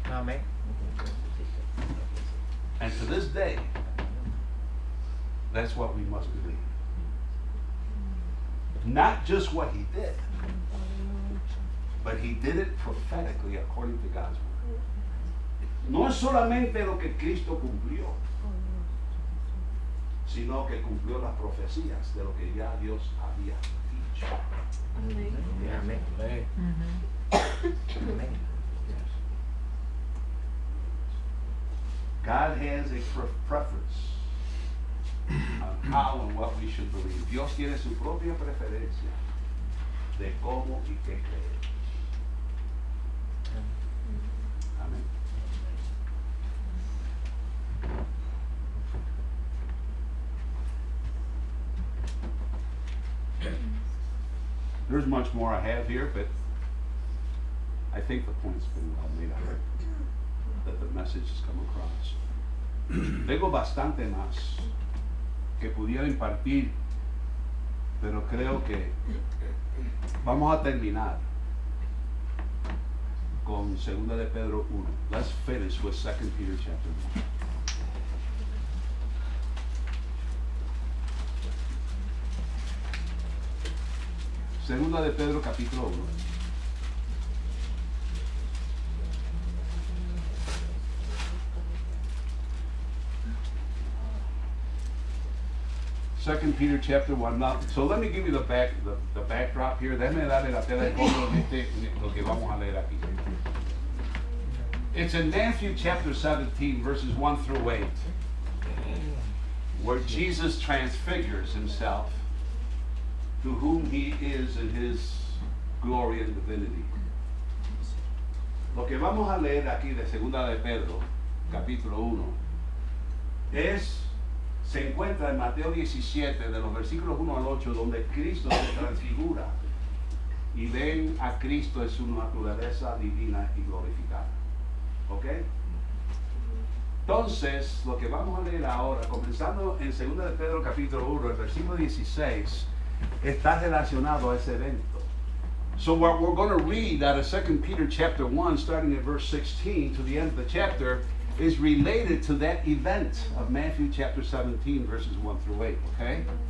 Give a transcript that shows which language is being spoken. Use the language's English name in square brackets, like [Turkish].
[Spanish] Amén. [English] And to this day, that's what we must believe. Not just what he did, but he did it prophetically according to God's word. [Spanish] No es solamente lo que Cristo cumplió, sino que cumplió las profecías de lo que ya Dios había dicho. [English] Amen. Amen. Amen. God has a preference on how and what we should believe. [Spanish] Dios tiene su propia preferencia de cómo y qué creer. Amén. [English] There's much more I have here, but I think the point's been well made out that the message has come across. [Spanish] Tengo bastante más que pudiera impartir, pero creo que vamos a terminar con 2 de Pedro 1. [English] Let's finish with 2 Peter chapter 1. [Spanish] Segunda de Pedro capítulo 1. [English] Second Peter chapter 1. Now, so let me give you the backdrop here. [Spanish] Déjame darle la tela lo que vamos a leer aquí. [English] It's in Matthew chapter 17, verses 1 through 8, where Jesus transfigures himself to whom he is in his glory and divinity. [Spanish] Lo que vamos a leer aquí de Segunda de Pedro, capítulo 1, es... se encuentra en Mateo 17, de los versículos 1 al 8, donde Cristo se transfigura y ven a Cristo en su naturaleza divina y glorificada. ¿Ok? Entonces, lo que vamos a leer ahora, comenzando en 2 de Pedro capítulo 1, el versículo 16, está relacionado a ese evento. [English] So what we're going to read out of 2 Peter chapter 1, starting at verse 16 to the end of the chapter, is related to that event of Matthew chapter 17, verses 1 through 8, okay?